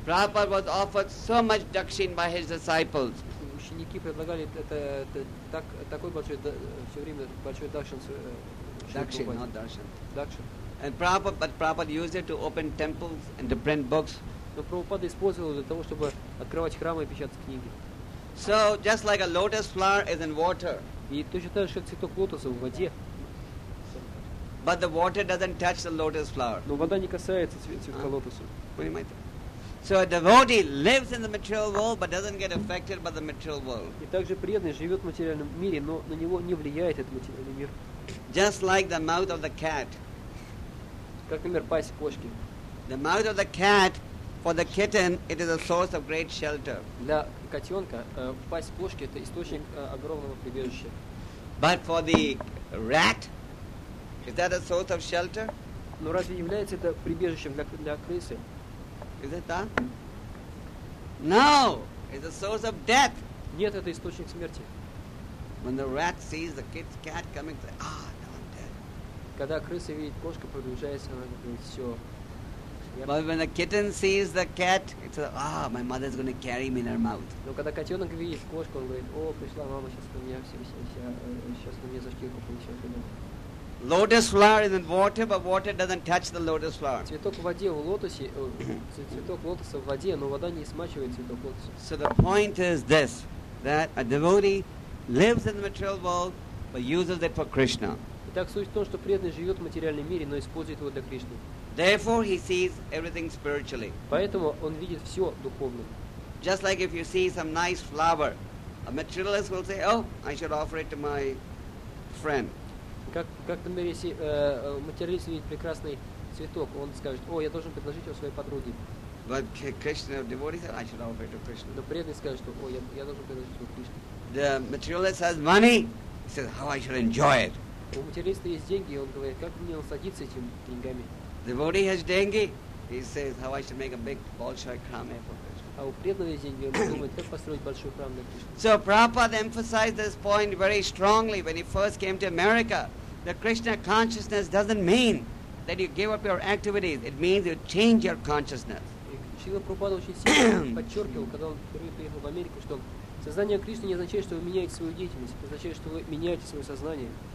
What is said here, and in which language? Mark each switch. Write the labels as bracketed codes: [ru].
[en] Prabhupada was offered so much dakshin by his disciples. [ru] Ученики предлагали это так такой большой все время большой дакшин. Дакшин, not дакшин. Дакшин. [en] And Prabhupada, but Prabhupada used it to open temples and to print books. [ru] Но Прабхупада использовал для того, чтобы открывать храмы и печатать книги. [en] So just like a lotus flower is in water. [ru] И точно так же, как цветок лотоса в воде. [en] But the water doesn't touch the lotus flower. [ru] Но вода не касается цветка лотоса. Понимаете? [en] So a devotee lives in the material world, but doesn't get affected by the material world. [ru] И также преданный живет в материальном мире, но на него не влияет этот материальный мир. [en] Just like the mouth of the cat. [ru] Как, например, пасть кошки. [en] The mouth of the cat, for the kitten, it is a source of great shelter. [ru] Для котенка пасть кошки это источник огромного прибежища. [en] But for the rat. Is that a source of shelter? [ru] Но разве является это прибежищем для крысы? [en] Is it that? No, it's a source of death. [ru] Нет, это источник смерти. [en] When the rat sees the kid's cat coming, it's like, ah, no, I'm dead. [ru] Когда крыса видит кошку, приближается, она говорит, все. [en] But when the kitten sees the cat, it's like, ah, my mother's going to carry me in her mouth. [ru] Но когда котенок видит кошку, он говорит, о, пришла мама, сейчас ко мне, сейчас ко мне за шкирку принесет. [en] Lotus flower is in water, but water doesn't touch the lotus flower. [ru] Цветок в воде в лотосе, цветок лотоса в воде, но вода не смачивает цветок лотоса. [en] So the point is this, that a devotee lives in the material world, but uses it for Krishna. [ru] Итак, суть в том, что преданный живет в материальном мире, но использует его для Кришны. [en] Therefore, he sees everything spiritually. [ru] Поэтому он видит все духовно. [en] Just like if you see some nice flower, a materialist will say, "Oh, I should offer it to my friend." [ru] Как в мире, если материалист видит прекрасный цветок, он скажет, о, я должен предложить его своей подруге. [en] But Krishna devotee said, I should offer to Krishna. [ru] Но преданный скажет, что, о, я должен предложить его Кришне. [en] The materialist has money, he says, how I should enjoy it. [ru] У материалиста есть деньги, он говорит, как мне насладиться этими деньгами. [en] Devotee has [ru] деньги, [en] he says, how I should make a big Bolshoi Kram effort. [ru] А у преданного есть деньги, он думает, как построить большой храм на Кришне. [en] So Prabhupada emphasized this point very strongly when he first came to America. The Krishna consciousness doesn't mean that you give up your activities. It means you change your consciousness. [ru] Шрила Прабхупада очень сильно подчеркивал, когда он впервые приехал в Америку, что сознание Кришны не означает, что вы меняете свою деятельность. Это означает, что вы меняете свое сознание.